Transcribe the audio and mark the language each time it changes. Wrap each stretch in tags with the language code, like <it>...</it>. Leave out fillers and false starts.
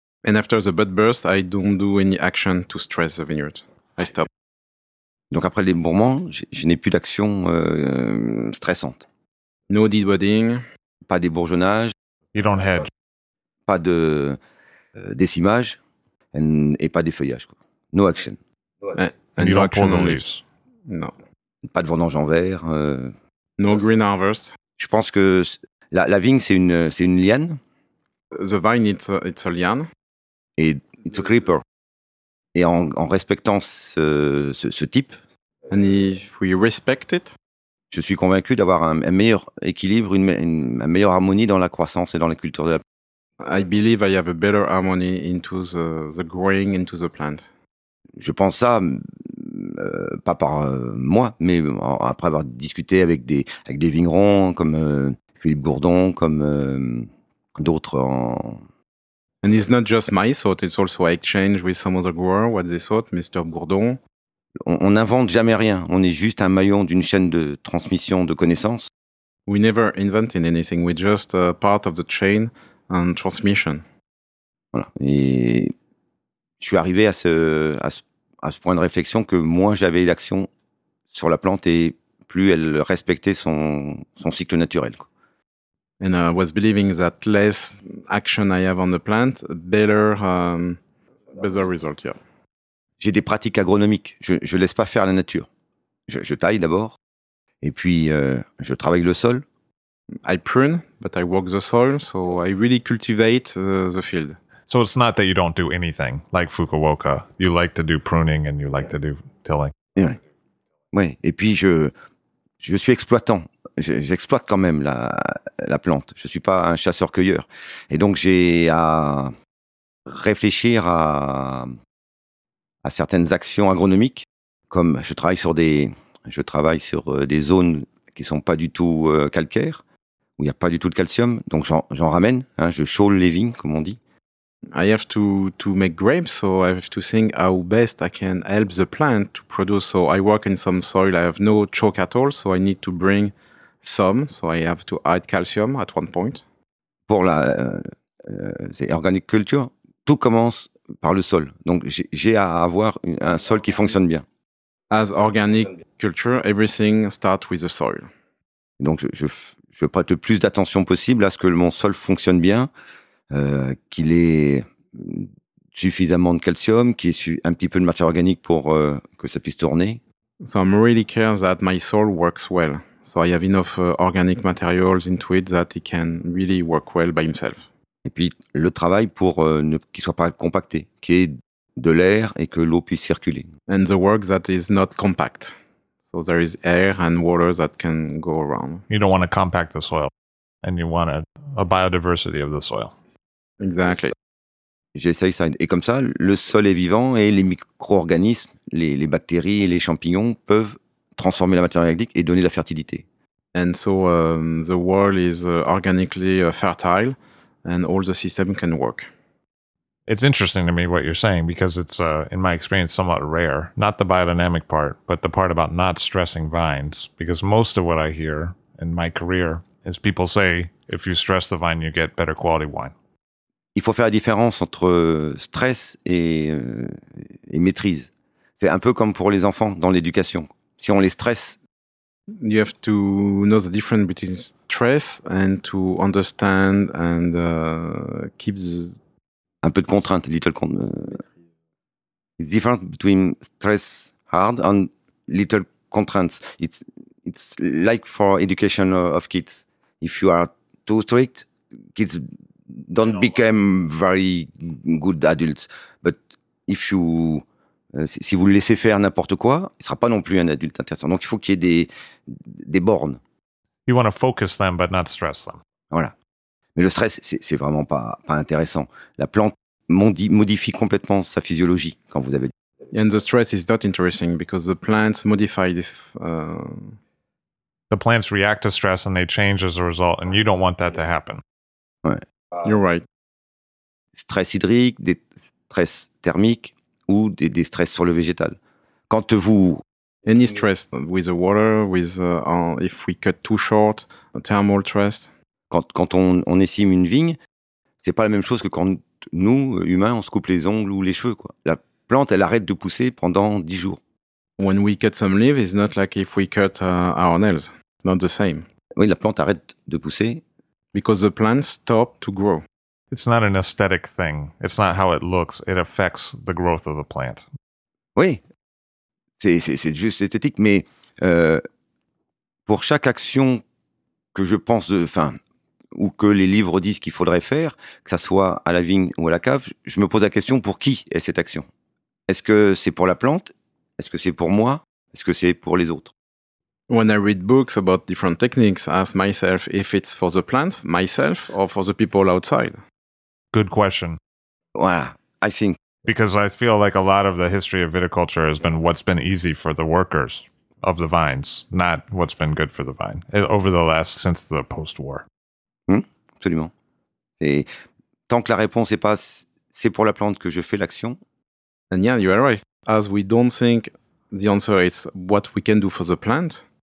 <en>And after the bud burst, I don't do any action to stress the vineyard. I stop.</en> <fr>Donc après les bourrements, je n'ai plus d'action stressante.</fr> <en>No debudding.</en> <fr>Pas des bourgeonnages.</fr> <en>You don't hedge.</en> <fr>Pas de décimage et pas des feuillages. Quoi.</fr> <en>No action. And you don't pull the leaves. No.</en> <fr>Pas de vendange en vert.</fr> <en>No green harvest.</en> <fr>Je pense que la vigne, c'est une liane.</fr> <en>The vine, it's a liane.</en> <fr>Et</fr> <en>it's a creeper.</en> <fr>Et en respectant ce type,</fr> <en>and if we respect it,</en> <fr>je suis convaincu d'avoir un meilleur équilibre, une meilleure harmonie dans la croissance et dans la culture de la plante.</fr> <en>I believe I have a better harmony into the growing into the plant.</en> <fr>Je pense ça, pas par moi, mais après avoir discuté avec des vignerons comme Philippe Gourdon, comme d'autres en...</fr> <en>And it's not just my thought, it's also I exchange with some other grower, what they thought, Mr. Bourdon.</en> <fr>On n'invente jamais rien, on est juste un maillon d'une chaîne de transmission de connaissances.</fr> <en>We never invent anything, we're just a part of the chain and transmission.</en> <fr>Voilà, et je suis arrivé à ce point de réflexion que moins j'avais d'action sur la plante et plus elle respectait son cycle naturel, quoi.</fr> <en>And I was believing that less action I have on the plant, better result, yeah.</en> <fr>J'ai des pratiques agronomiques. Je laisse pas faire la nature. Je taille d'abord, et puis je travaille le sol.</fr> <en>I prune, but I work the soil, so I really cultivate the field. So it's not that you don't do anything, like Fukuoka. You like to do pruning and you like to do tilling.</en> <fr>Oui, et puis je suis exploitant. J'exploite quand même la plante. Je ne suis pas un chasseur-cueilleur. Et donc, j'ai à réfléchir à certaines actions agronomiques, comme je travaille sur des zones qui ne sont pas du tout calcaires, où il n'y a pas du tout de calcium. Donc, j'en ramène. Hein, je chaule les vignes, comme on dit.</fr> <en>I have to make grapes, so I have to think how best I can help the plant to produce. So, I work in some soil. I have no chalk at all, so I need to bring... Some, so I have to add calcium at one point.</en> <fr>Pour la</fr> <en>organic culture,</en> <fr>tout commence par le sol. Donc j'ai à avoir un sol qui fonctionne bien.</fr> <en>As organic culture, everything starts with the soil.</en> <fr>Donc je prête le plus d'attention possible à ce que mon sol fonctionne bien, qu'il ait suffisamment de calcium, qu'il ait un petit peu de matière organique pour que ça puisse tourner.</fr> <en>So I'm really care that my soil works well. So I have enough organic materials into it that it can really work well by himself.</en> <fr>Et puis le travail pour qu'il soit pas compacté, qu'il y ait de l'air et que l'eau puisse circuler.</fr> <en>And the work that is not compact. So there is air and water that can go around. You don't want to compact the soil and you want a biodiversity of the soil. Exactly.</en> <fr>J'essaye ça. Et comme ça, le sol est vivant et les micro-organismes, les bactéries et les champignons peuvent transformer la matière organique et donner la fertilité.</fr> <en>And so the world is organically fertile and all the system can work. It's interesting to me what you're saying because it's, in my experience, somewhat rare. Not the biodynamic part, but the part about not stressing vines. Because most of what I hear in my career is people say, if you stress the vine, you get better quality wine.</en> <fr>Il faut faire la différence entre stress et maîtrise. C'est un peu comme pour les enfants dans l'éducation. Si on les stresse...</fr> <en>You have to know the difference between stress and to understand and keep...</en> <fr>Un peu de contrainte,</fr> <en>little... It's different between stress hard and little constraints. It's like for education of kids. If you are too strict, kids... don't become very good adults. But if you,</en> <fr>si vous le laissez faire n'importe quoi, il ne sera pas non plus un adulte intéressant. Donc il faut qu'il y ait des bornes.</fr> <en>You want to focus them, but not stress them.</en> <fr>Voilà. Mais le stress, c'est vraiment pas intéressant. La plante modifie complètement sa physiologie quand vous avez.</fr> <en>And the stress is not interesting because the plants modify this. The plants react to stress and they change as a result, and you don't want that to happen.</en> <fr>Ouais.</fr> <en>You're right.</en> <fr>Stress hydrique, des stress thermiques ou des stress sur le végétal. Quand vous...</fr> <en>Any stress with the water, with if we cut too short, a thermal stress.</en> <fr>Quand on essaime une vigne, c'est pas la même chose que quand nous, humains, on se coupe les ongles ou les cheveux, quoi. La plante, elle arrête de pousser pendant 10 jours.</fr> <en>When we cut some leaves, it's not like if we cut our nails. It's not the same.</en> <fr>Oui, la plante arrête de pousser.</fr> <en>Because the plants stop to grow. It's not an aesthetic thing. It's not how it looks. It affects the growth of the plant.</en> <fr>Oui, c'est juste esthétique. Mais pour chaque action que je pense, enfin, ou que les livres disent qu'il faudrait faire, que ça soit à la vigne ou à la cave, je me pose la question pour qui est cette action? Est-ce que c'est pour la plante? Est-ce que c'est pour moi? Est-ce que c'est pour les autres?</fr> <en>When I read books about different techniques, I ask myself if it's for the plant, myself, or for the people outside. Good question. Wow, I think. Because I feel like a lot of the history of viticulture has been what's been easy for the workers of the vines, not what's been good for the vine, over the last, since the post-war.</en> <fr>Absolument. Et tant que la réponse est pas, c'est pour la plante que je fais l'action.</fr> <en>And yeah, you are right. As we don't think the answer is what we can do for the plant,</en>